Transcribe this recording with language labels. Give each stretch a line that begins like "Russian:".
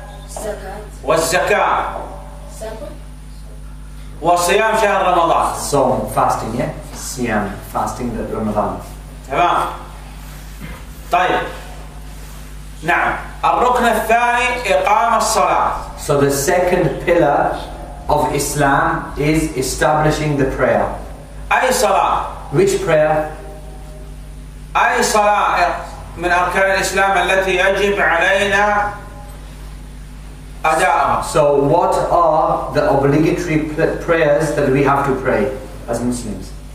Arabic: زكاة. والزكاة. وصيام شهر رمضان. صوم
English: fasting, yeah?
Arabic: صيام
English: fasting the Ramadan.
Arabic: تمام. طيب. نعم. الركن الثاني إقام الصلاة.
English: So the second pillar of Islam is establishing the prayer.
Arabic: أي صلاة?
English: Which prayer?
Arabic: أي صلاة من أركان الإسلام التي يجب علينا
English: So what are the obligatory prayers that we have to pray as Muslims?